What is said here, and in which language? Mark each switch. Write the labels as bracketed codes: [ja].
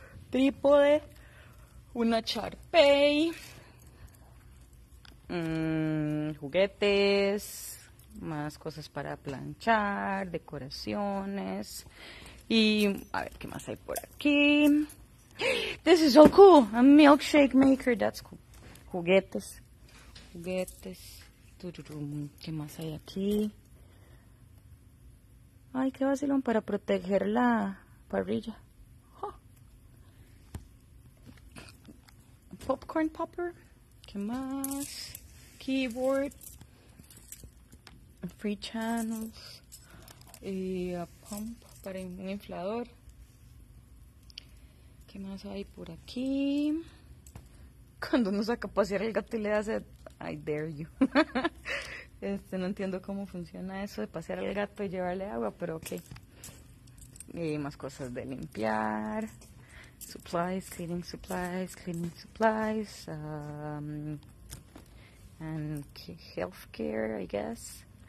[es] Trípode, una charpey, juguetes, más cosas para planchar, decoraciones, y a ver qué más hay por aquí. [en] This is so cool, a milkshake maker, that's cool. [es] Juguetes, juguetes, qué más hay aquí. Ay, qué vacilón para proteger la parrilla. [en] Popcorn popper, [es] ¿qué más? [en] Keyboard, free channels, [es] y a pump para un inflador. ¿Qué más hay por aquí? Cuando uno saca a pasear el gato y le hace, [en] I dare you. [es] no entiendo cómo funciona eso de pasear al gato y llevarle agua, pero ok. Y más cosas de limpiar. [en] Supplies, cleaning supplies, cleaning supplies, and healthcare, I guess.